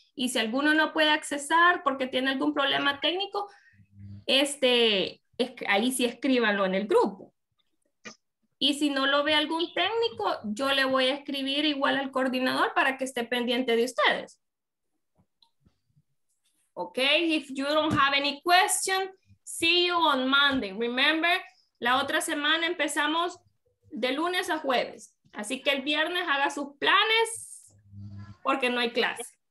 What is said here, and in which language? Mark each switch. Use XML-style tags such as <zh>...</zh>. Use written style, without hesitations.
<es>Y si alguno no puede accesar porque tiene algún problema técnico, ahí sí escríbanlo en el grupo. Y si no lo ve algún técnico, yo le voy a escribir igual al coordinador para que esté pendiente de ustedes.</es> <en>Ok, if you don't have any question, see you on Monday.</en> <es>Remember, la otra semana empezamos de lunes a jueves. Así que el viernes haga sus planes porque no hay clase.</es>